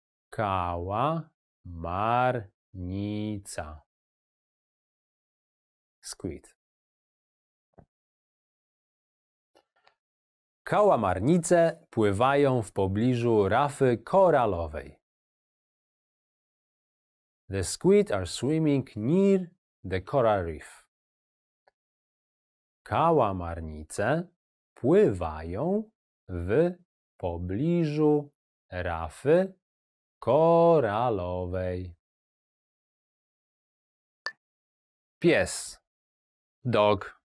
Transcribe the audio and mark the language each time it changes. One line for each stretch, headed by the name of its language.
Polish: Kałamarnica.
English: Squid.
Polish: Kałamarnice pływają w pobliżu rafy koralowej.
English: The squid are swimming near the coral reef.
Polish: Kałamarnice pływają w pobliżu rafy koralowej. Pies.
English: Dog.